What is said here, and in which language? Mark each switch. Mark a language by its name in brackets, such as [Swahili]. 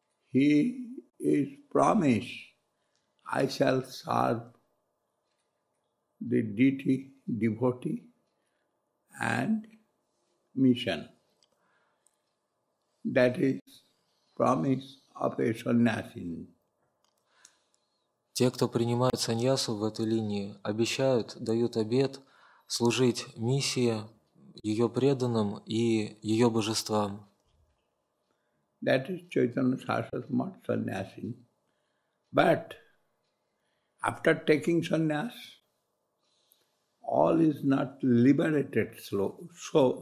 [English] He is promised, I shall serve the deity, devotee, and mission. That is promise of a sannyasin. [Russian] Те, кто принимает саньясу в этой линии, обещают, дают обет служить миссии, ее преданным и ее божествам. [English] That is Chaitanya Sarasvati sannyasin. But after taking sannyas, all is not liberated souls.